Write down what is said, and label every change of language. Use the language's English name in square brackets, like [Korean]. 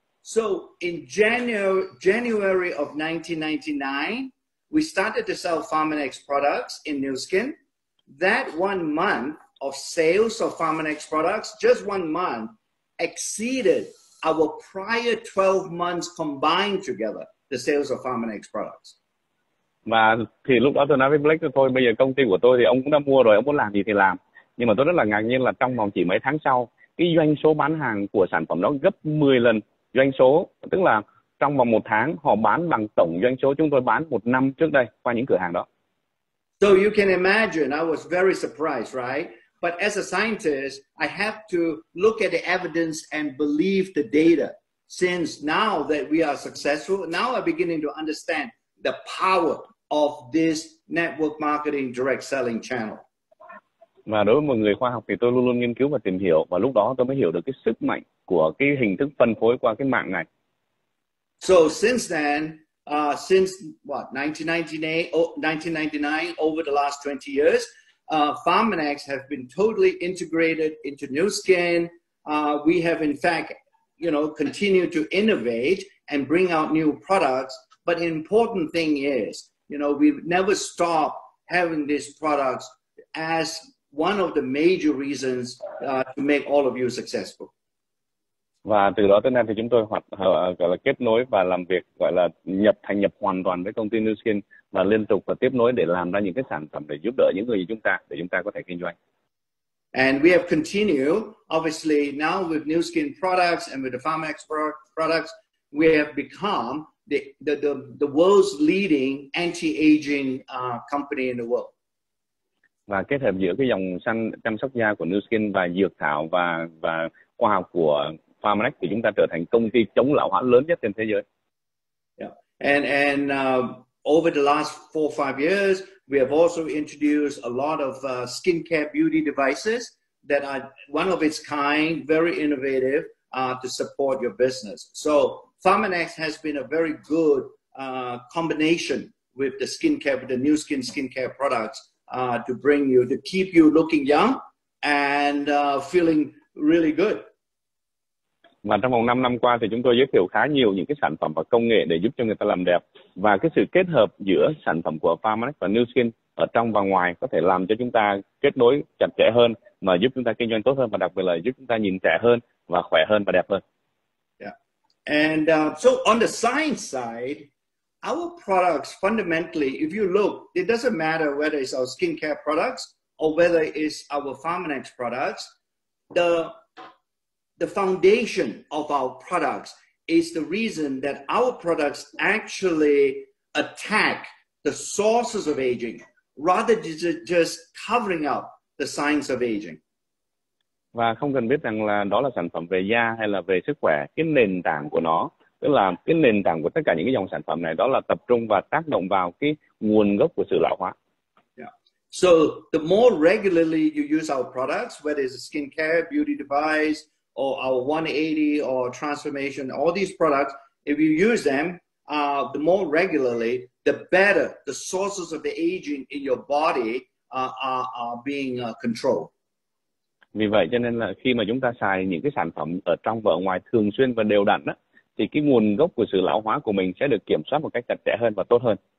[English] So in January of 1999, we started to sell Pharmanex products in New Skin. That 1 month of sales of Pharmanex products, just 1 month, exceeded our prior 12 months combined together, the sales of Pharmanex products. [Vietnamese] Và thì lúc đó tôi nói với Blake, thôi bây giờ công ty của tôi thì ông cũng đã mua rồi, ông muốn làm gì thì làm. Nhưng mà tôi rất là ngạc nhiên là trong vòng chỉ mấy tháng sau, cái doanh số bán hàng của sản phẩm đó gấp 10 lần doanh số, tức là trong vòng một tháng họ bán bằng tổng doanh số chúng tôi bán một năm trước đây qua những cửa hàng đó. [English] So you can imagine, I was very surprised, right? But as a scientist, I have to look at the evidence and believe the data. Since now that we are successful, now I'm beginning to understand the power of this network marketing direct selling channel. [Vietnamese] Và đối với một người khoa học thì tôi luôn luôn nghiên cứu và tìm hiểu, và lúc đó tôi mới hiểu được cái sức mạnh của cái hình thức phân phối qua cái mạng này. [English] So since then, since what, 1999, over the last 20 years, Pharmanex have been totally integrated into New Skin. We have in fact, you know, continued to innovate and bring out new products. But an important thing is, you know, we never stop having these products as one of the major reasons to make all of you successful. [Vietnamese] Và từ đó tới nay thì chúng tôi gọi là kết nối và làm việc gọi là nhập thành nhập hoàn toàn với công ty New Skin và liên tục và tiếp nối để làm ra những cái sản phẩm để giúp đỡ những người như chúng ta để chúng ta có thể kinh doanh. [English] And we have continued, obviously, now with New Skin products and with the Pharmanex products, we have become the world's leading anti-aging company in the world. [Vietnamese] Và kết hợp giữa cái dòng xanh chăm sóc da của New Skin và dược thảo và khoa học của Pharmanex thì chúng ta trở thành công ty chống lão hóa lớn nhất trên thế giới. Yeah. [English] And over the last 4-5 years, we have also introduced a lot of skincare beauty devices that are one of its kind, very innovative to support your business. So Pharmanex has been a very good combination with the skincare, with the New Skin skincare products to bring you, to keep you looking young and feeling really good. [Vietnamese] Và trong vòng 5 năm qua thì chúng tôi giới thiệu khá nhiều những cái sản phẩm và công nghệ để giúp cho người ta làm đẹp. Và cái sự kết hợp giữa sản phẩm của Pharmanex và New Skin ở trong và ngoài có thể làm cho chúng ta kết nối chặt chẽ hơn mà giúp chúng ta kinh doanh tốt hơn và đặc biệt là giúp chúng ta nhìn trẻ hơn và khỏe hơn và đẹp hơn. Yeah. [English] And so on the science side, our products fundamentally, if you look, it doesn't matter whether it's our skincare products or whether it's our Pharmanex products, the foundation of our products is the reason that our products actually attack the sources of aging rather than just covering up the signs of aging. [Vietnamese] Và không cần biết rằng là đó là sản phẩm về da hay là về sức khỏe, cái nền tảng của nó, tức là cái nền tảng của tất cả những cái dòng sản phẩm này đó là tập trung và tác động vào cái nguồn gốc của sự lão hóa. [English] So the more regularly you use our products, whether it's a skincare, beauty device, or our 180 or transformation, all these products, if you use them the more regularly, the better the sources of the aging in your body are being controlled. [Vietnamese] Vì vậy cho nên là khi mà chúng ta xài những cái sản phẩm ở trong và ở ngoài thường xuyên và đều đặn á, thì cái nguồn gốc của sự lão hóa của mình sẽ được kiểm soát một cách chặt chẽ hơn và tốt hơn.